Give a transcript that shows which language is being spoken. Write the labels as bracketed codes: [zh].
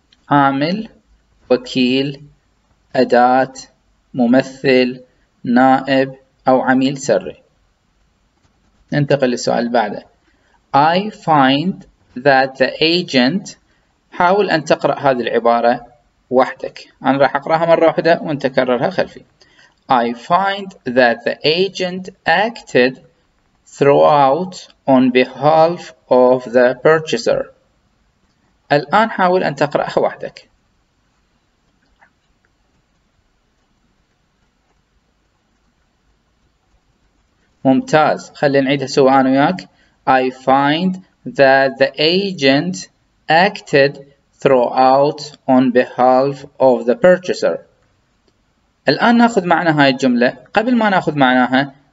[ar] عامل، وكيل، أداة، ممثل، نائب أو عميل سري. ننتقل للسؤال بعده. [en] I find that the agent. [ar] حاول أن تقرأ هذه العبارة وحدك. أنا راح أقرأها مرة واحدة وأنت كررها خلفي. [en] I find that the agent acted throughout on behalf of the purchaser. [ar] الآن حاول أن تقرأها وحدك. ممتاز، خلينا نعيدها سوا أنا وياك. [en] I find that the agent acted throughout on behalf of the purchaser. [ar] الآن نأخذ معنى هاي الجملة. قبل ما نأخذ معناها،